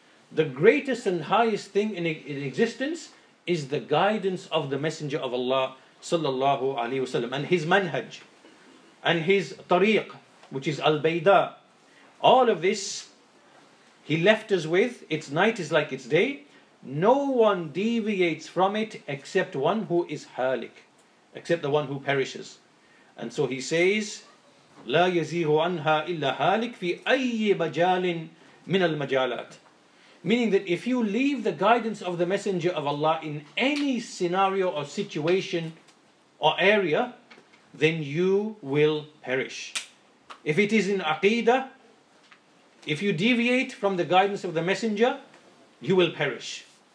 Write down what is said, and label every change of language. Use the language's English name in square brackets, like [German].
[English] The greatest and highest thing in existence is the guidance of the Messenger of Allah Sallallahu Alaihi Wasallam and his manhaj and his tariq, which is al-bayda. All of this he left us with. Its night is like its day. No one deviates from it except one who is halik, except the one who perishes. And so he says, [Arabic] لا يزيغ عنها إلا هالك في أي مجال من المجالات. [English] Meaning that if you leave the guidance of the Messenger of Allah in any scenario or situation or area, then you will perish. If it is in aqeedah, if you deviate from the guidance of the Messenger, you will perish.